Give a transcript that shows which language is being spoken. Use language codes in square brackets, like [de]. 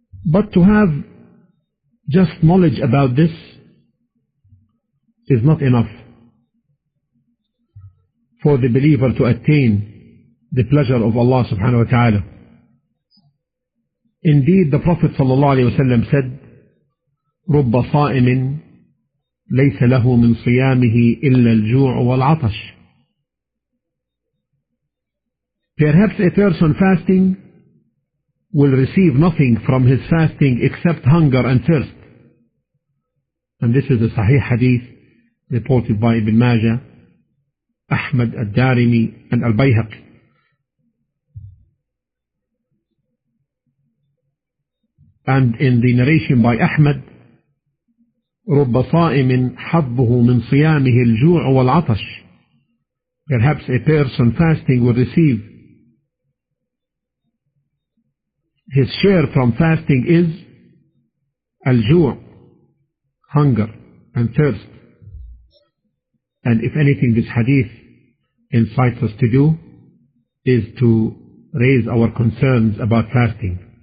[en] But to have just knowledge about this is not enough for the believer to attain the pleasure of Allah subhanahu wa ta'ala. Indeed, the Prophet sallallahu alaihi wasallam said, [ar] رُبَّ صَائِمٍ ليس له من صيامه إلا الجوع والعطش. [en] Perhaps a person fasting will receive nothing from his fasting except hunger and thirst. And this is a Sahih hadith reported by Ibn Majah, Ahmad al-Darimi, and Al-Bayhaqi. And in the narration by Ahmad, [ar] رب صائم حظه من صيامه الجوع والعطش. [en] Perhaps a person fasting will receive his share from fasting is الجوع, hunger and thirst. And if anything this hadith incites us to do is to raise our concerns about fasting.